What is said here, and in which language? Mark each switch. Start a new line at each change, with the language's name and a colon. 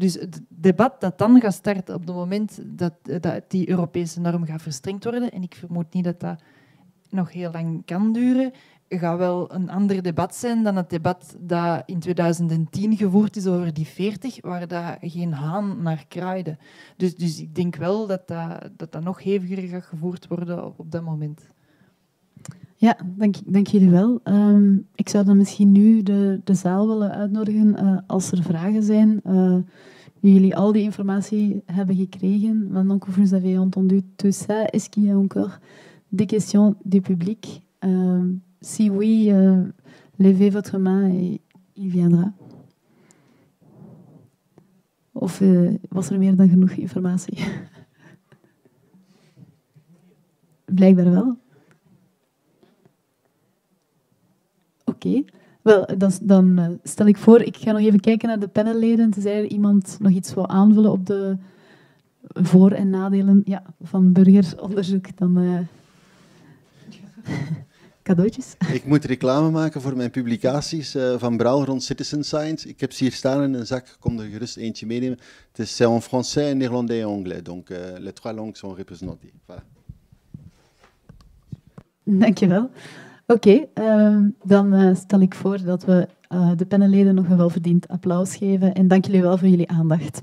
Dutch: Dus het debat dat dan gaat starten op het moment dat die Europese norm gaat verstrengd worden, en ik vermoed niet dat dat nog heel lang kan duren, gaat wel een ander debat zijn dan het debat dat in 2010 gevoerd is over die 40, waar dat geen haan naar kraaide. Dus ik denk wel dat dat nog heviger gaat gevoerd worden op dat moment. Ja, dank jullie wel. Ik zou dan misschien nu de zaal willen uitnodigen als er vragen zijn. Nu jullie al die informatie hebben gekregen, want
French: donc vous avez entendu tout ça, est-ce qu'il y a encore des questions du public? Si oui, levez votre main et il viendra.
Dutch: Of was er meer dan genoeg informatie? Blijkbaar wel. Oké. Wel, dan stel ik voor, ik ga nog even kijken naar de panelleden. Tenzij er iemand nog iets wil aanvullen op de voor- en nadelen, ja, van burgeronderzoek, dan cadeautjes. Ik moet reclame maken voor mijn publicaties van Brouw rond Citizen Science. Ik heb ze hier staan in een zak, kom er gerust eentje meenemen. Het is
French: en français, en néerlandais en anglais. Donc, les trois langues sont représentées. Voilà.
Dutch: Dankjewel. Oké, dan stel ik voor dat we de panelleden nog een welverdiend applaus geven. En dank jullie wel voor jullie aandacht.